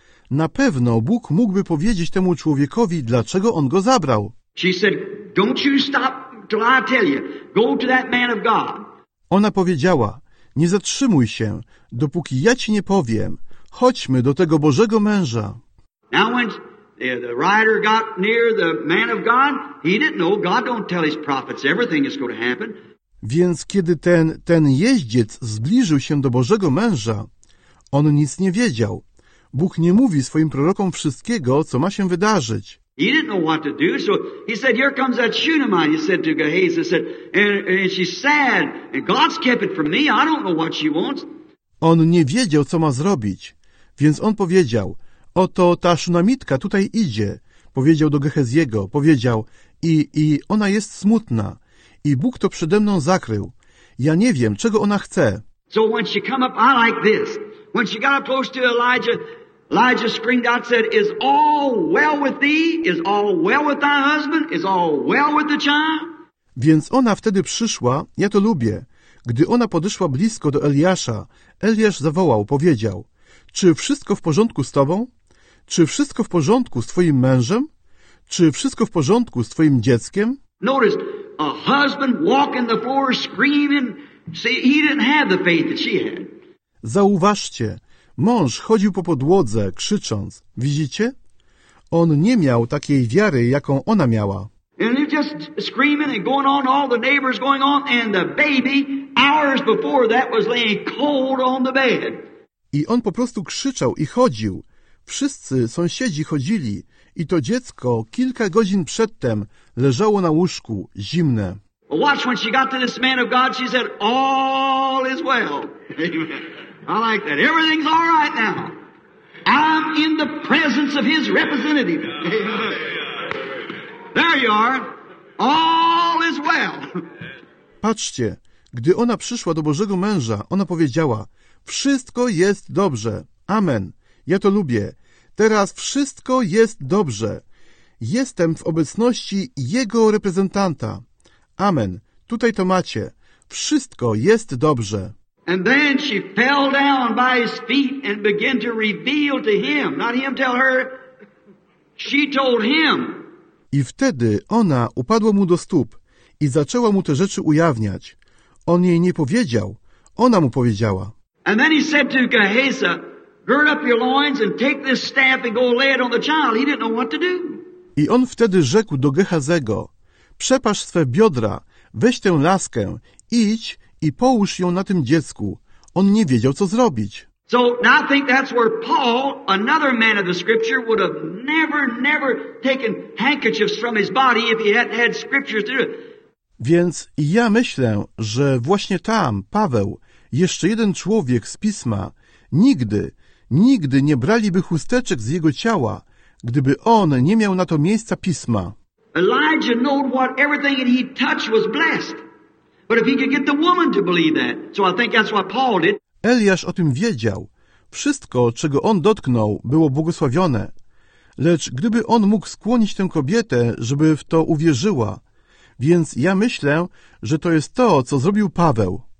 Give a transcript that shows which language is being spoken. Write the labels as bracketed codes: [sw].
[pl] Na pewno Bóg mógłby powiedzieć temu człowiekowi, dlaczego on go zabrał. [en] She said, "Don't you stop till I tell you. Go to that man of God." [pl] Ona powiedziała, nie zatrzymuj się, dopóki ja ci nie powiem. Chodźmy do tego Bożego męża. [en] Now when the rider got near the man of God, he didn't know. God don't tell his prophets everything is going to happen. [pl] Więc kiedy ten jeździec zbliżył się do Bożego męża, on nic nie wiedział. Bóg nie mówi swoim prorokom wszystkiego, co ma się wydarzyć. [en] He didn't know what to do, so he said, here comes that Shunammite, he said to Gehazi, said, and she's sad, and God's kept it from me, I don't know what she wants. [pl] On nie wiedział, co ma zrobić, więc on powiedział, oto ta Szunamitka tutaj idzie, powiedział do Geheziego, powiedział, i ona jest smutna, i Bóg to przede mną zakrył, ja nie wiem, czego ona chce. [en] So when she come up, I like this, when she got up close to Elijah, Elijah screamed out, said, is all well with thee? Is all well with thy husband? Is all well with the child? [pl] Więc ona wtedy przyszła, ja to lubię. Gdy ona podeszła blisko do Eliasza, Eliasz zawołał, powiedział, czy wszystko w porządku z tobą? Czy wszystko w porządku z twoim mężem? Czy wszystko w porządku z twoim dzieckiem? [en] Notice, a husband walking the floor screaming, see, he didn't have the faith that she had. [pl] Zauważcie, mąż chodził po podłodze, krzycząc. Widzicie? On nie miał takiej wiary, jaką ona miała. [en] And they're just screaming and going on, all the neighbors going on, and the baby, hours before that, was laying cold on the bed. [pl] I on po prostu krzyczał i chodził. Wszyscy sąsiedzi chodzili i to dziecko kilka godzin przedtem leżało na łóżku, zimne. [en] Watch when she got to this man of God, she said, all is well. I like that. Everything's all right now. I'm in the presence of his representative. There you are. All is well. [pl] Patrzcie, gdy ona przyszła do Bożego męża, ona powiedziała, wszystko jest dobrze. Amen. Ja to lubię. Teraz wszystko jest dobrze. Jestem w obecności jego reprezentanta. Amen. Tutaj to macie. Wszystko jest dobrze. [en] And then she fell down by his feet and began to reveal to him. Not him tell her. She told him. [pl] I wtedy ona upadła mu do stóp i zaczęła mu te rzeczy ujawniać. On jej nie powiedział. Ona mu powiedziała. [en] And then he said to Gehazi, gird up your loins and take this staff and go lay it on the child. He didn't know what to do. [pl] I on wtedy rzekł do Gehazego, przepasz swe biodra, weź tę laskę, idź i połóż ją na tym dziecku. On nie wiedział, co zrobić. [en] So now I think that's where Paul, another man of the scripture, would have never taken handkerchiefs from his body if he hadn't had scriptures to do it. [pl] Więc ja myślę, że właśnie tam Paweł, jeszcze jeden człowiek z Pisma, nigdy nie braliby chusteczek z jego ciała, gdyby on nie miał na to miejsca Pisma. [en] Elijah knew what everything that he touched was blessed. But if he could get the woman to believe that, so I think that's what Paul did. [pl] Eliasz o tym wiedział. Wszystko, czego on dotknął, było błogosławione. Lecz gdyby on mógł skłonić tę kobietę, żeby w to uwierzyła. Więc ja myślę, że to jest to, co zrobił Paweł.